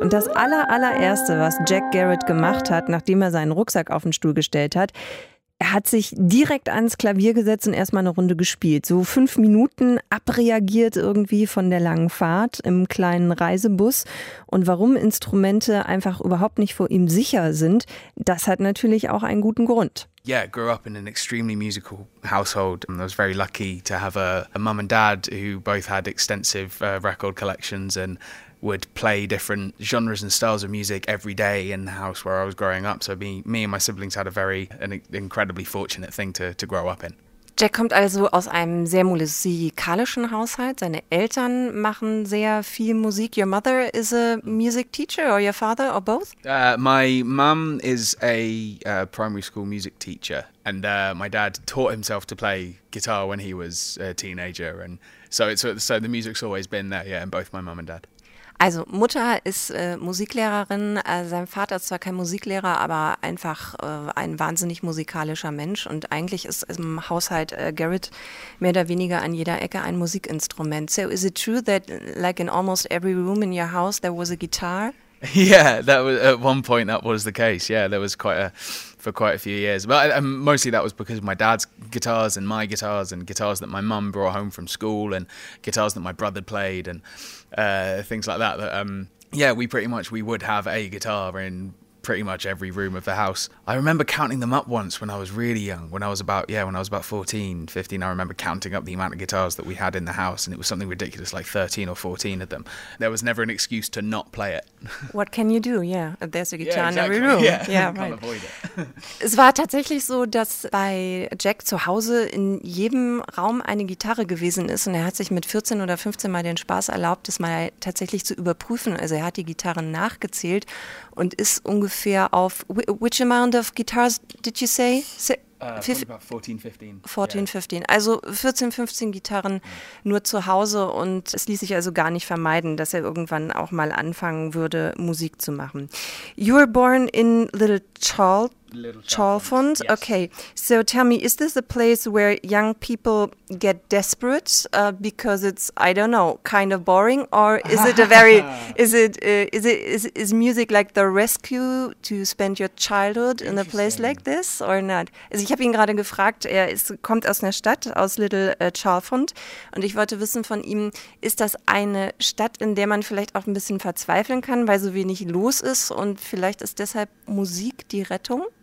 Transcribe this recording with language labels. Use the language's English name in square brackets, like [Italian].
[German] Und das allererste, was Jack Garrett gemacht hat, nachdem er seinen Rucksack auf den Stuhl gestellt hat, er hat sich direkt ans Klavier gesetzt und erstmal eine Runde gespielt. So 5 Minuten abreagiert irgendwie von der langen Fahrt im kleinen Reisebus. Und warum Instrumente einfach überhaupt nicht vor ihm sicher sind, das hat natürlich auch einen guten Grund. [English] Yeah, I grew up in an extremely musical household and I was very lucky to have a mum and dad who both had extensive record collections and would play different genres and styles of music every day in the house where I was growing up. So me and my siblings had a very an incredibly fortunate thing to grow up in. [German] Jack kommt also aus einem sehr musikalischen Haushalt. Seine Eltern machen sehr viel Musik. [English] Your mother is a music teacher or your father or both? My mum is a primary school music teacher and my dad taught himself to play guitar when he was a teenager. And so the music's always been there, yeah, in both my mum and dad. [German] Also Mutter ist Musiklehrerin, sein Vater ist zwar kein Musiklehrer, aber einfach ein wahnsinnig musikalischer Mensch und eigentlich ist im Haushalt Garrett mehr oder weniger an jeder Ecke ein Musikinstrument. [English] So is it true that like in almost every room in your house there was a guitar? Yeah, that was at one point that was the case. Yeah, there was quite a few years. But mostly that was because of my dad's guitars and my guitars and guitars that my mum brought home from school and guitars that my brother played and things like that. We would have a guitar in pretty much every room of the house. I remember counting them up once when I was really young, when I was about 14, 15, I remember counting up the amount of guitars that we had in the house and it was something ridiculous, like 13 or 14 of them. There was never an excuse to not play it. What can you do? Yeah, there's a guitar in every room. Yeah, yeah, right. Can't avoid it. [German] Es war tatsächlich so, dass bei Jack zu Hause in jedem Raum eine Gitarre gewesen ist und er hat sich mit 14 oder 15 mal den Spaß erlaubt, das mal tatsächlich zu überprüfen. Also er hat die Gitarren nachgezählt und ist ungefähr auf, [English] which amount of guitars did you say? About 14, 15. [German] Also 14, 15 Gitarren nur zu Hause und es ließ sich also gar nicht vermeiden, dass er irgendwann auch mal anfangen würde, Musik zu machen. [English] You were born in Little Chalfont. Yes. Okay, so tell me, is this a place where young people get desperate because it's, I don't know, kind of boring, or is it a very, is music like the rescue to spend your childhood in a place like this or not? [German] Also ich habe ihn gerade gefragt, er kommt aus einer Stadt, aus Little Chalfont, und ich wollte wissen von ihm, ist das eine Stadt, in der man vielleicht auch ein bisschen verzweifeln kann, weil so wenig los ist und vielleicht ist deshalb Musik die Rettung?